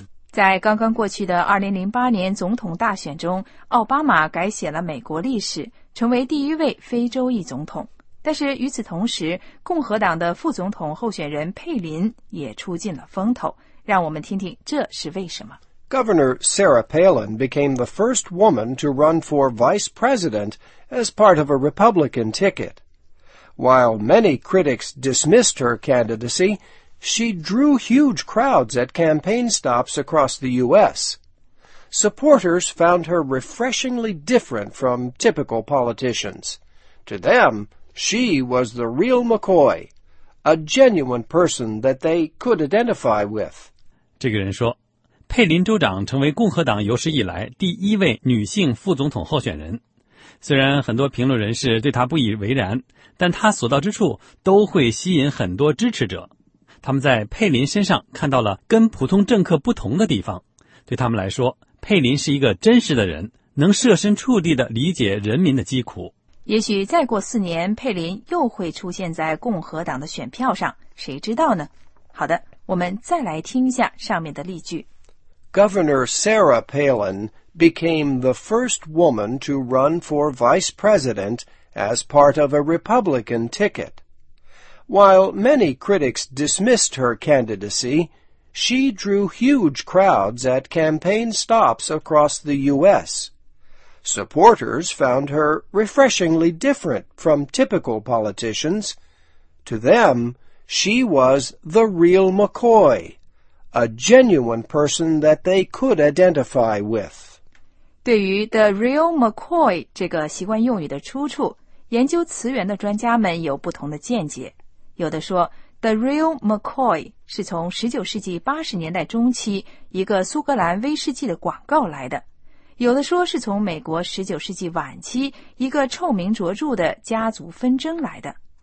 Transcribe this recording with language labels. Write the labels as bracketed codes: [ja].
[zh] 在刚刚过去的2008年总统大选中，奥巴马改写了美国历史，成为第一位非洲裔总统。但是与此同时，共和党的副总统候选人佩林也出尽了风头。让我们听听这是为什么。 [en] Governor Sarah Palin became the first woman to run for vice president as part of a Republican ticket. While many critics dismissed her candidacy, she drew huge crowds at campaign stops across the U.S. Supporters found her refreshingly different from typical politicians. To them, she was the real McCoy, a genuine person that they could identify with. [zh] 这个人说佩林州长成为共和党有史以来第一位女性副总统候选人。虽然很多评论人士对她不以为然，但她所到之处都会吸引很多支持者。他们在佩林身上看到了跟普通政客不同的地方。对他们来说，佩林是一个真实的人，能设身处地地理解人民的疾苦。也许再过四年，佩林又会出现在共和党的选票上，谁知道呢？好的，我们再来听一下上面的例句。 Governor Sarah Palin became the first woman to run for vice president as part of a Republican ticket. While many critics dismissed her candidacy, she drew huge crowds at campaign stops across the U.S. Supporters found her refreshingly different from typical politicians. To them, she was the real McCoy. A genuine person that they could identify with. 对于 The Real McCoy 这个习惯用语的出处，研究词源的专家们有不同的见解。有的说 The Real McCoy 是从19世纪80年代中期一个苏格兰威士忌的广告来的，有的说是从美国19世纪晚期一个臭名卓著的家族纷争来的。